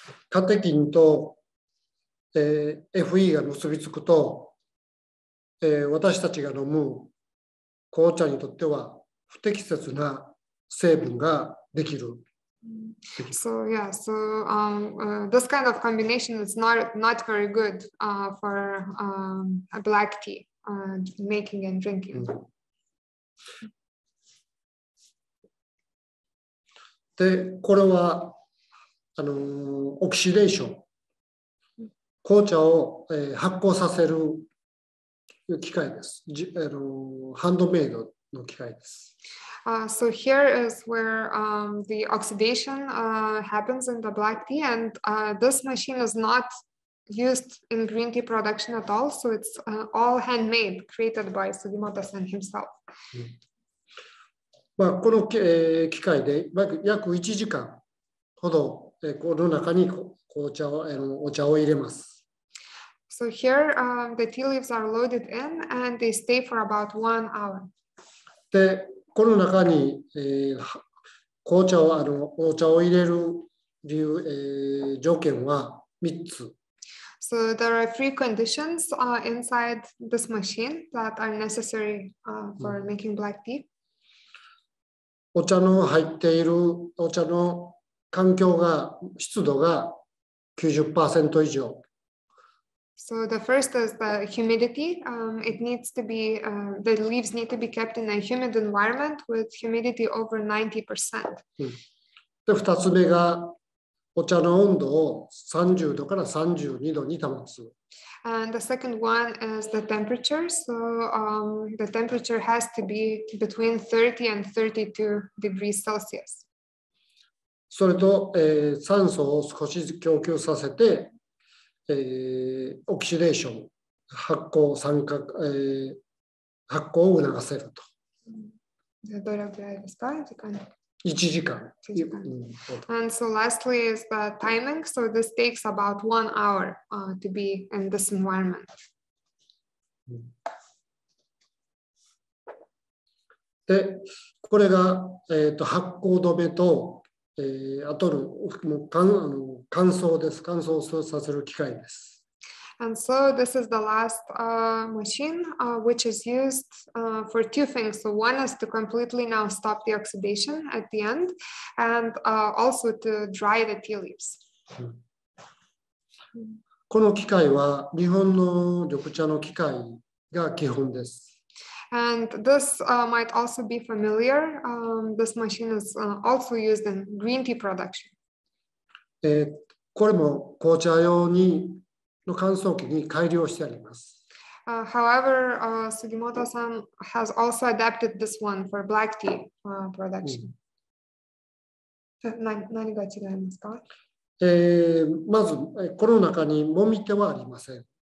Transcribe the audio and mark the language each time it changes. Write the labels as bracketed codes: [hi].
[ja] Catechin と FE が結びつくと私たちが飲む紅茶にとっては不適切な成分ができる。 [en] So yeah, so this kind of combination is not very good for a black tea making and drinking. [ja] で、これはオキシデーション、紅茶を発酵させる。機械です。ハンドメイドの機械です。 [en] So here is where the oxidation happens in the black tea, and this machine is not used in green tea production at all. So it's all handmade, created by Sugimoto-san himself. [ja] まあこの機械で約1時間ほどこの中に紅茶をお茶を入れます。 [en] So here, the tea leaves are loaded in and they stay for about 1 hour. [ja] で、この中に、紅茶を、お茶を入れる理由、条件は3つ。 [en] So there are three conditions, inside this machine that are necessary, for making black tea. [ja] お茶の入っている、お茶の環境が、湿度が 90% 以上。 [en] So the first is the humidity. It needs to be, the leaves need to be kept in a humid environment with humidity over 90%. [ja] で、二つ目がお茶の温度を30度から32度に保つ。 [en] And the second one is the temperature. So the temperature has to be between 30 and 32 degrees Celsius. [ja] それと、酸素を少し供給させて、オキシデーション、発酵、酸化、発酵を促せると。どれくらいですか？時間。 1時間。 [en] And so lastly is the timing. So this takes about 1 hour to be in this environment. [ja] で、これが、発酵止めと、あとの、もう、乾燥です。乾燥させる機械です。 [en] And so this is the last machine which is used for two things. So one is to completely now stop the oxidation at the end and also to dry the tea leaves. [ja] この機械は日本の緑茶の機械が基本です。 [en] And this might also be familiar. This machine is also used in green tea production. [ja] これも紅茶用にの乾燥機に改良してあります。 [en] However, Sugimoto-san has also adapted this one for black tea production. [ja] 何が違いますか？まず、この中にもみ手はありません。